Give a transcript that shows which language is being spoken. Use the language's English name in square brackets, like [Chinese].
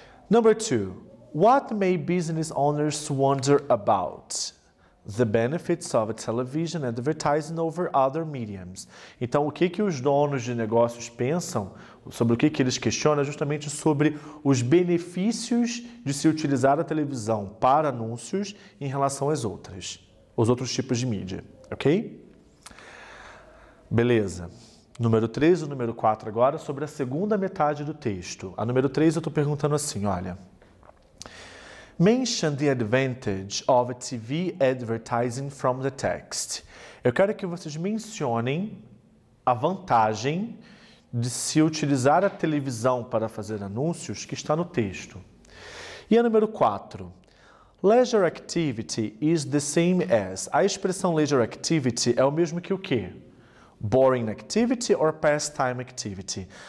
[English] Number two, what may business owners wonder about? The benefits of television advertising over other mediums. [Portuguese] Então, o que, que os donos de negócios pensam, sobre o que, que eles questionam, é justamente sobre os benefícios de se utilizar a televisão para anúncios em relação às outras, os outros tipos de mídia, ok? Beleza. Número 3 e número 4 agora, sobre a segunda metade do texto. A número 3 eu estou perguntando assim, olha. [English] Mention the advantage of a TV advertising from the text. [Portuguese] Eu quero que vocês mencionem a vantagem de se utilizar a televisão para fazer anúncios que está no texto. E a número 4. [English] Leisure activity is the same as. [Portuguese] A expressão leisure activity é o mesmo que o quê? [English] Boring activity or pastime activity?